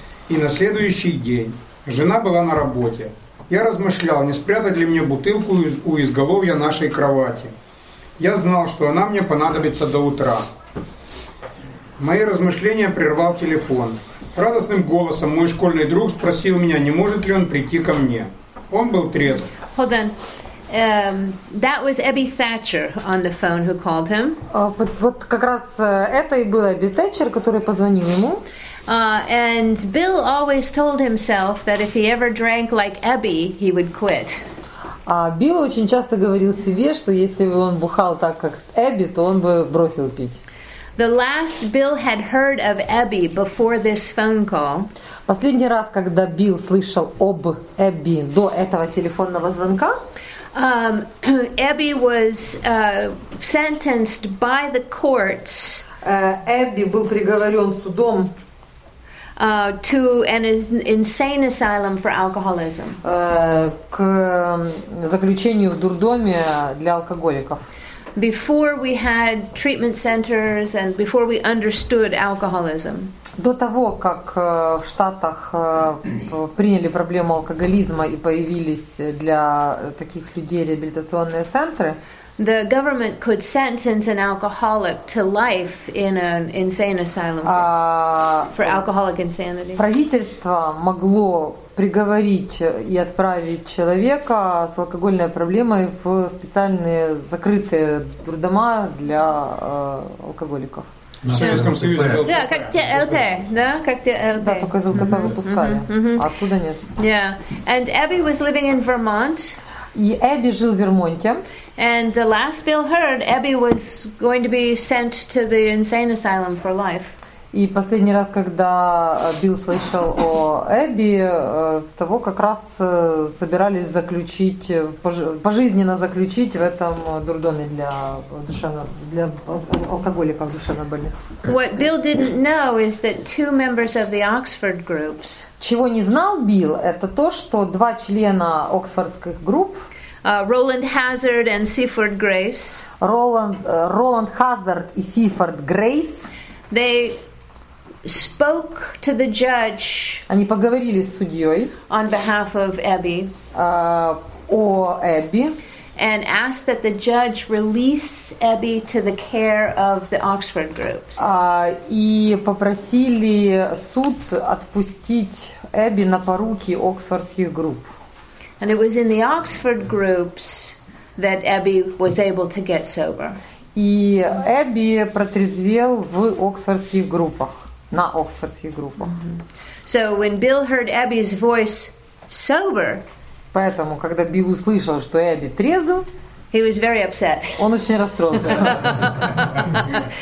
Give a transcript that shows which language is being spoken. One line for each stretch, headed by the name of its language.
Russian: И на следующий день жена была на работе. Я размышлял, не спрятать ли мне бутылку у изголовья нашей кровати. Я знал, что она мне понадобится до утра. Мои размышления прервал телефон. Радостным голосом мой школьный друг спросил меня, не может ли он прийти ко мне. Он был трезв.
English: Hold on. That was Abby Thatcher on the phone who called him.
Russian: Вот как раз это и был Эбби Тэтчер, который позвонил ему.
English: And Bill always told himself that if he ever drank like Abby, he would quit.
Russian: Билл очень часто говорил себе, что если бы он бухал так, как Эбби, то он бы бросил пить.
English: The last Bill had heard of Abby before this phone call.
Russian: Последний раз, когда Билл слышал об Эбби до этого телефонного звонка,
English: Abby was sentenced by the courts.
Russian: Эбби был приговорен судом.
English: To an insane asylum for alcoholism.
Russian: К заключению в дурдоме для алкоголиков.
English: Before we had treatment centers and before we understood alcoholism.
Russian: До того, как в Штатах приняли проблему алкоголизма и появились для таких людей реабилитационные центры,
English: the government could sentence an alcoholic to life in an insane asylum for alcoholic insanity.
Russian: Правительство могло приговорить и отправить человека с алкогольной проблемой в специальные закрытые дурдома для алкоголиков. В Советском Союзе. Да, как ТЛТ, да, как ТЛТ. Да, только из ЛТП выпускали, оттуда нет.
English: Yeah, and Abby was living in Vermont.
Russian: И Эбби жил в Вермонте.
English: And the last Bill heard, Abby was going to be sent to the insane asylum for life.
Russian: И последний раз, когда Билл слышал о Эбби, того как раз собирались заключить, пожизненно заключить в этом дурдоме для душевно, для алкоголиков душевнобольных.
English: What Bill didn't know is that two members of the Oxford groups.
Russian: Чего не знал Билл, это то, что два члена оксфордских групп. Roland Hazard and Seaford Grace. Roland Hazard и Seaford Grace.
English: They spoke to the judge.
Russian: Они поговорили с судьей.
English: On behalf of Abby.
Russian: О Эбби.
English: And asked that the judge release Abby to the care of the Oxford groups.
Russian: И попросили суд отпустить Эбби на поруки оксфордских групп.
English: And it was in the Oxford groups that Abby was able to get sober.
Russian: И Эбби протрезвел в оксфордских группах, на оксфордских группах.
English: So when Bill heard Abby's voice sober,
Russian: поэтому когда Билл услышал, что Эбби трезв,
English: he was very upset.
Russian: Он очень расстроился.